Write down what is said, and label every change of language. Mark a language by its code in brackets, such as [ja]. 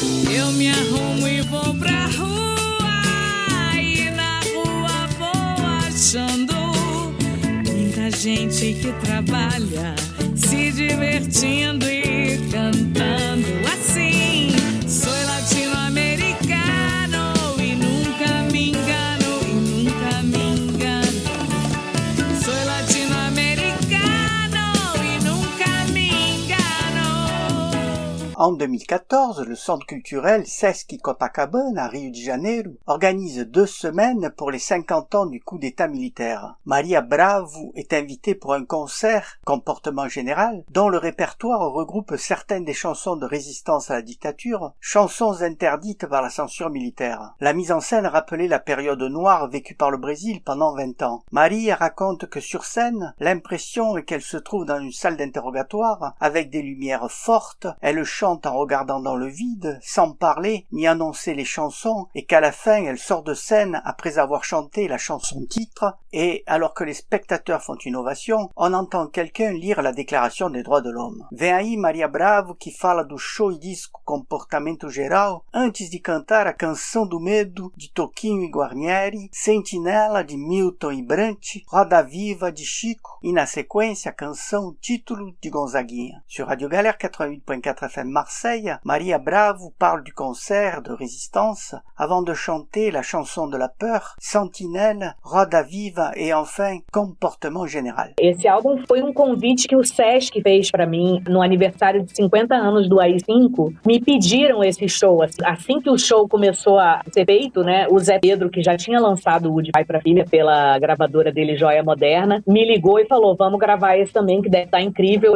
[pt] Eu me arrumo e vou pra rua, e na rua vou achando muita gente que trabalha, se divertindo e cantando assim. Sou latino-americano e nunca me engano, e nunca me engano. Sou latino-americano e nunca me engano. [fr] En 2014, le centre culturel SESC Copacabana à Rio de Janeiro organise 2 semaines pour les 50 ans du coup d'état militaire. Maria Bravo est invitée pour un concert Comportement général dont le répertoire regroupe certaines des chansons de résistance à la dictature, chansons interdites par la censure militaire. La mise en scène rappelait la période noire vécue par le Brésil pendant 20 ans. Maria raconte que sur scène, l'impression est qu'elle se trouve dans une salle d'interrogatoire avec des lumières fortes. Elle chante en regardant dans le vide, sans parler ni annoncer les chansons, et qu'à la fin elle sort de scène après avoir chanté la chanson titre, et alors que les spectateurs font une ovation, on entend quelqu'un lire la déclaration des droits de l'homme. [pt] Vem aí Maria Bravo que fala do show e disco Comportamento Geral, antes de cantar a Canção do Medo de Toquinho e Guarnieri, Sentinela de Milton e Brandt, Roda Viva de Chico, e na sequência a canção Título de Gonzaguinha. [fr] Sur Radio Galère 88.4 FM Marseille, Maria Bravo parle du concert de résistance avant de chanter la chanson de la peur, Sentinelle, Roda Viva et enfin Comportement Général. [pt] Esse álbum foi um convite que o SESC fez para mim no aniversário de 50 anos do AI-5. Me pediram esse show assim que o show começou a ser feito, né? O Zé Pedro, que já tinha lançado o De Pai para Filha pela gravadora dele Joia Moderna, me ligou e falou: "Vamos gravar esse também, que deve estar incrível".